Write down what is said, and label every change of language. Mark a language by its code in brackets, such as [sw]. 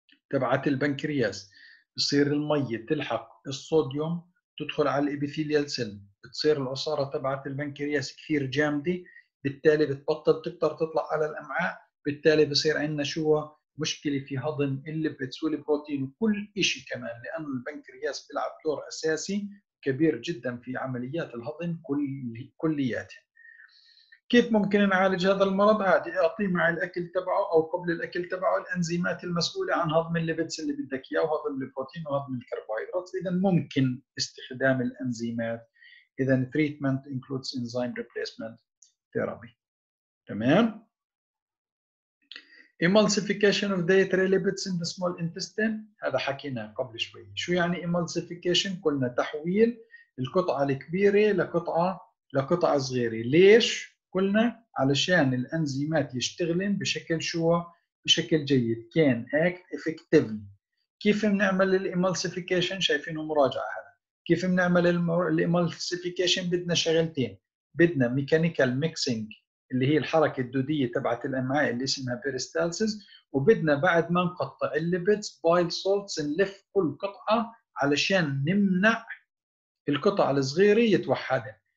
[ar] تبعت البنكرياس، بصير المية تلحق الصوديوم تدخل على الإبيثيليال سيل، بتصير العصارة تبعت البنكرياس كثير جامدة، بالتالي بتبطل تقدر تطلع على الأمعاء، بالتالي بصير عندنا شو؟ مشكلة في هضم الليبيدز والبروتين وكل إشي كمان، لأن البنكرياس بيلعب دور أساسي كبير جدا في عمليات الهضم كلياتها. كيف ممكن نعالج هذا المرض؟ عادي، أعطيه مع الأكل تبعه أو قبل الأكل تبعه الأنزيمات المسؤولة عن هضم الليبيدز اللي بدك إياه وهضم البروتين وهضم الكربوهيدرات. إذا ممكن استخدام الأنزيمات. إذن [en] treatment includes enzyme replacement therapy. [ar] تمام؟ [en] emulsification of dietary lipids in the small intestine، [ar] هذا حكينا قبل شوي. شو يعني emulsification؟ قلنا تحويل القطعة الكبيرة لقطعة صغيرة. ليش؟ قلنا علشان الأنزيمات يشتغلن بشكل شو؟ بشكل جيد، [en] can act effectively. [ar] كيف بنعمل emulsification؟ شايفينه مراجعة هذا. كيف بنعمل الإيمالسيفيكيشن؟ بدنا شغلتين، بدنا ميكانيكال ميكسينج اللي هي الحركة الدودية تبعت الأمعاء اللي اسمها بيريستالسيس، وبدنا بعد ما نقطع الليبيدز بايل سولتس نلف كل قطعة علشان نمنع القطع الصغيرة يتوحدها.